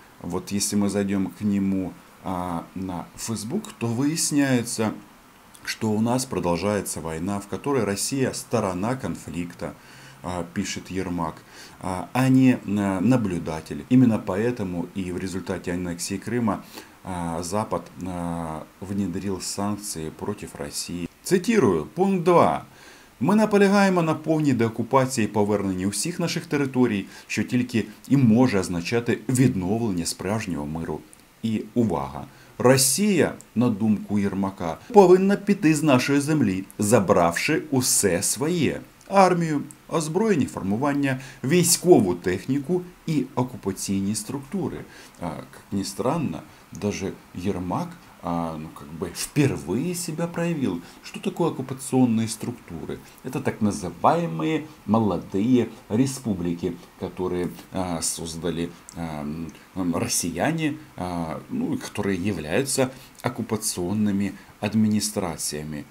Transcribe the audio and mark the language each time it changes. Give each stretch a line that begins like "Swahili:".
Russian: Вот если мы зайдем к нему на Facebook, то выясняется, что у нас продолжается война, в которой Россия сторона конфликта, пишет Ермак, а не наблюдатель. Именно поэтому и в результате аннексии Крыма Запад внедрил санкции против России. Цитирую, пункт 2.
Ukrainian: «Ми наполягаємо на повній деокупації і поверненні усіх наших територій, що тільки і може означати відновлення справжнього миру». І увага! Росія, на думку Єрмака, повинна піти з нашої землі, забравши усе своє – армію, озброєні формування, військову техніку і окупаційні структури. Як не
Russian: странно, даже
Ukrainian: Єрмак
Russian: ну, как бы впервые себя проявил. Что такое оккупационные структуры? Это так называемые молодые республики, которые создали россияне, ну, которые являются оккупационными администрациями.